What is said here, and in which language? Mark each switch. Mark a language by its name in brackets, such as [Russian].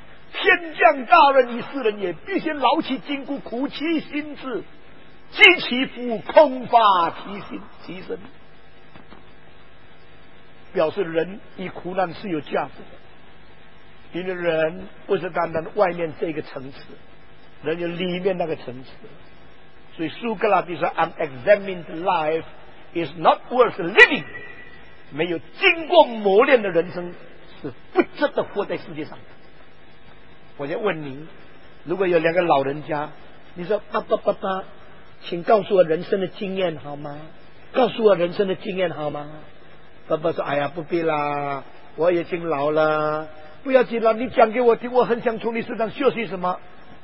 [Chinese] 天降大任于斯人也，必先劳其筋骨，苦其心志，饥其腹，空乏其心，其身。表示人以苦难是有价值的，因为人不是单单外面这个层次，人有里面那个层次。所以苏格拉底说 [English] ：“An examined life is not worth living。” [Chinese] 没有经过磨练的人生是不值得活在世界上的。我就问你，如果有两个老人家，你说爸爸爸爸，请告诉我人生的经验好吗？告诉我人生的经验好吗？爸爸说：“哎呀，不必啦，我已经老了，不要紧了，你讲给我听，我很想从你身上学习什么。”